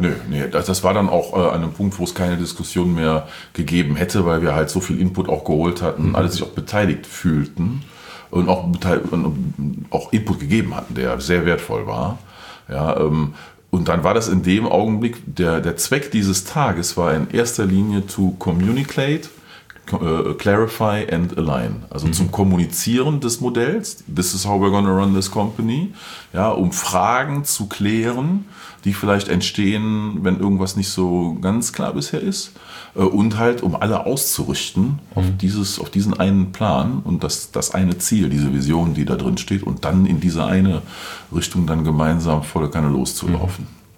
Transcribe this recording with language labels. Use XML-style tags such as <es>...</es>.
<de>Nee, das war dann auch an einem Punkt, wo es keine Diskussion mehr gegeben hätte, weil wir halt so viel Input auch geholt hatten, alle sich auch beteiligt fühlten und auch Input gegeben hatten, der sehr wertvoll war. Ja, und dann war das in dem Augenblick, der Zweck dieses Tages war in erster Linie</de> <en>to communicate, clarify and align.</en> <de>Also zum Kommunizieren des Modells.</de> <en>This is how we're gonna run this company.</en> <de>Ja, um Fragen zu klären, die vielleicht entstehen, wenn irgendwas nicht so ganz klar bisher ist. Und halt, um alle auszurichten auf diesen einen Plan und das eine Ziel, diese Vision, die da drin steht. Und dann in diese eine Richtung dann gemeinsam volle Kanne loszulaufen.</de>